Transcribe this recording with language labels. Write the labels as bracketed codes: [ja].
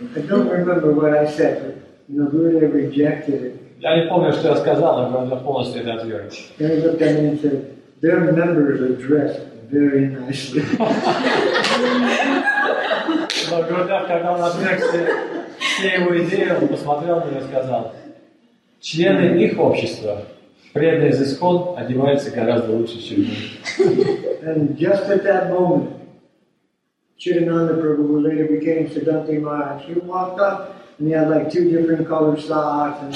[en] I don't remember what I said, but you know, Gurudev rejected it. [ru] Я не помню, что я сказал, но Гурудев полностью это отверг. [en] Then he looked at me and said, their members are dressed very nicely. [ru] Но Гурудев, когда он отверг все его идеи, он посмотрел на него и сказал, члены их общества, преданные из ИСККОН, одеваются гораздо лучше, чем мы. [en] And just at that moment, Chidananda Prabhu, who later became Siddhanti Maharaj, he walked up and he had like two different colored socks and